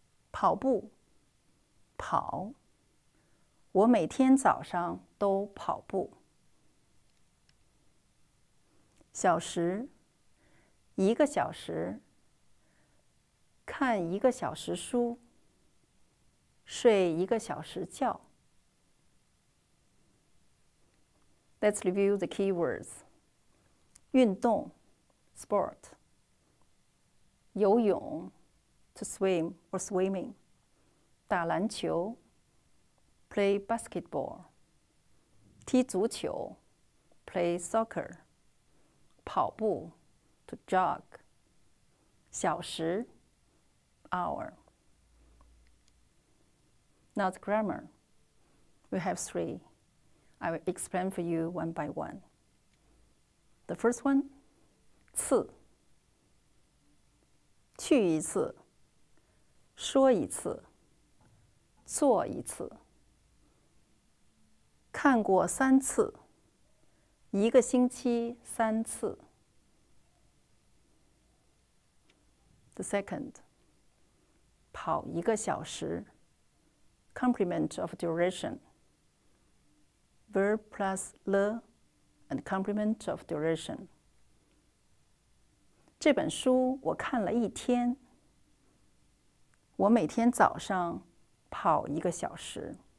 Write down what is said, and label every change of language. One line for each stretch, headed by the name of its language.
Chinese: 跑步，跑，我每天早上都跑步。小时，一个小时，看一个小时书，睡一个小时觉。
English: Let's review the keywords. 运动 sport. 游泳 to swim or swimming. 打篮球 play basketball. 踢足球 play soccer. 跑步 to jog, 小时 hour. Now the grammar. We have three. I will explain for you one by one. The first one,
Chinese: 次，去一次，说一次，做一次，看过三次，一个星期三次。
English: The second,
Chinese: 跑一个小时
English: complement of duration, verb plus le and complement of duration.
Chinese: 这本书我看了一天，我每天早上跑一个小时。